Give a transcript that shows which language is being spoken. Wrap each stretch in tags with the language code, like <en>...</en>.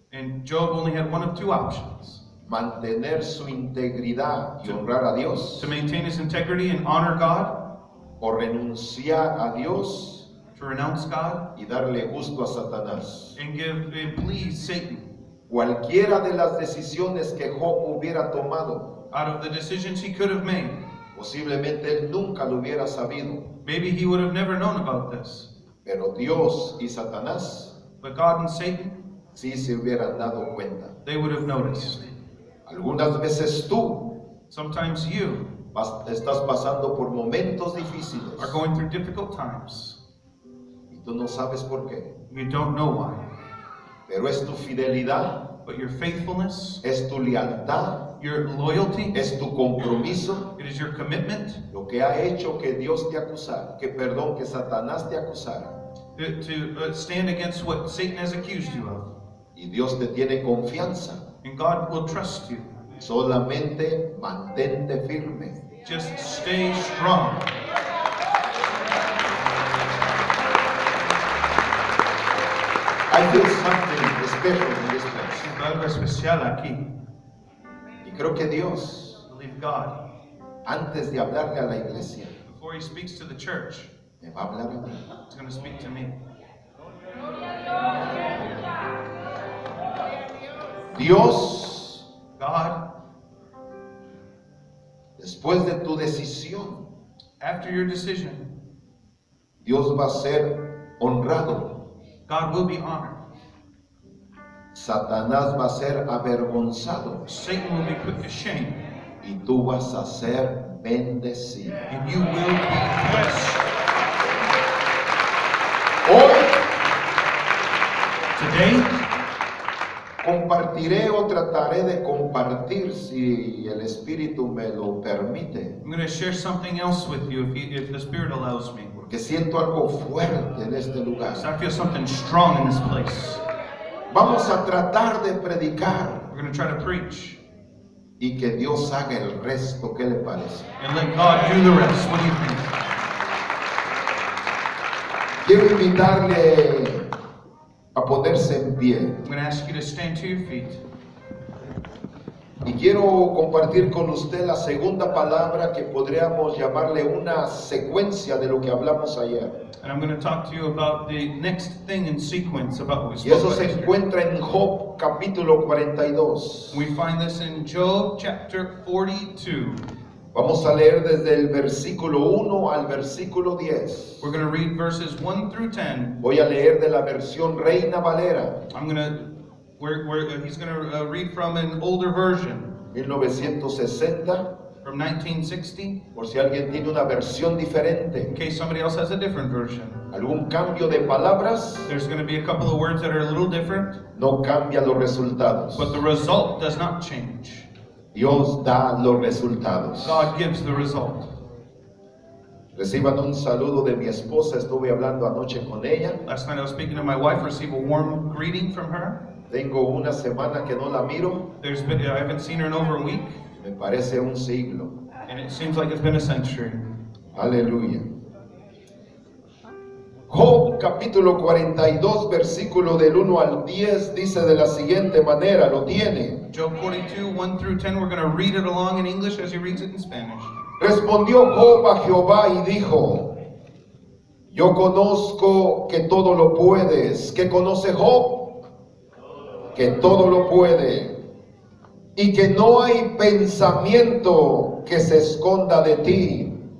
<en>And Job only had one of two options.</en> <es>Mantener su integridad y honrar a Dios.</es> <en>To maintain his integrity and honor God.</en> <es>O renunciar a Dios.</es> <en>To renounce God.</en> <es>Y darle gusto a Satanás.</es> <en>And please Satan.</en> <es>Cualquiera de las decisiones que Job hubiera tomado.</es> <en>Out of the decisions he could have made.</en> <es>Posiblemente él nunca lo hubiera sabido.</es> <en>Maybe he would have never known about this.</en> <es>Pero Dios y Satanás.</es> <en>But God and Satan.</en> <es>Sí se hubieran dado cuenta.</es> <en>They would have noticed.</en> <es>Algunas veces tú.</es> <en>Sometimes you.</en> <es>Estás pasando por momentos difíciles.</es> <en>Are going through difficult times.</en> <es>Y tú no sabes por qué.</es> <en>You don't know why.</en> <es>Pero es tu fidelidad.</es> <en>But your faithfulness.</en> <es>Es tu lealtad.</es> <en>Your loyalty.</en> <es>Es tu compromiso.</es> <en>It is your commitment.</en> <es>Lo que ha hecho que Dios te acusara. Que perdón, que Satanás te acusara.</es> <en>To stand against what Satan has accused you of.</en> <es>Y Dios te tiene confianza.</es> <en>And God will trust you.</en> <es>Solamente mantente firme.</es> <en>Just stay strong. I feel something special in this place.</en> <es>Siento algo especial aquí. Y creo que Dios,</es> <en>believe God,</en> <es>antes de hablarle a la iglesia,</es> <en>before he speaks to the church,</en> <es>me va a hablar a mí.</es> <en>He's going to speak to me.</en> <es>Dios,</es> <en>God,</en> <es>después de tu decisión,</es> <en>after your decision,</en> <es>Dios va a ser honrado.</es> <en>God will be honored.</en> <es>Satanás va a ser avergonzado.</es> <en>Satan will be put to shame.</en> <es>Y tú vas a ser bendecido.</es> <en>And you will be blessed.</en> <es>Hoy,</es> <en>today,</en> <es>compartiré o trataré de compartir si el Espíritu me lo permite.</es> <en>I'm going to share something else with you if the Spirit allows me.</en> <es>Porque siento algo fuerte en este lugar.</es> <en>So I feel something strong in this place.</en> <es>Vamos a tratar de predicar.</es> <en>We're going to try to preach.</en> <es>Y que Dios haga el resto, ¿qué le parece?</es> <en>And let God do the rest, what do you think?</en> <es>Quiero invitarle a ponerse en pie.</es> <en>I'm going to ask you to stand to your feet.</en> <es>Y quiero compartir con usted la segunda palabra que podríamos llamarle una secuencia de lo que hablamos ayer.</es> <en>And I'm going to talk to you about the next thing in sequence about what we spoke about.</en> <es>Y eso se encuentra en Job capítulo 42.</es> <en>We find this in Job chapter 42.</en> <es>Vamos a leer desde el versículo 1 al versículo 10.</es> <en>We're going to read verses 1 through 10.</en> <es>Voy a leer de la versión Reina Valera.</es> <en>I'm going to He's going to read from an older version. 1960. From 1960.</en> <es>Por si alguien tiene una versión diferente.</es> <en>In case somebody else has a different version.</en> <es>¿Algún cambio de palabras?</es> <en>There's going to be a couple of words that are a little different.</en> <es>No cambia los resultados.</es> <en>But the result does not change.</en> <es>Dios da los resultados.</es> <en>God gives the result.</en> <es>Reciban un saludo de mi esposa. Estuve hablando anoche con ella.</es> <en>Last night I was speaking to my wife. Received a warm greeting from her.</en> <es>Tengo una semana que no la miro.</es> <en>I haven't seen her in over a week.</en> <es>Me parece un siglo.</es> <en>And it seems like it's been a century.</en> <es>Aleluya. Job capítulo 42 versículo del 1 al 10 dice de la siguiente manera, lo tiene.</es> <en>Job 42, 1 through 10, we're going to read it along in English as he reads it in Spanish.</en> <es>Respondió Job a Jehová y dijo, yo conozco que todo lo puedes. ¿Qué conoce Job? Que todo lo puede. Y que no hay pensamiento que se esconda de ti.</es>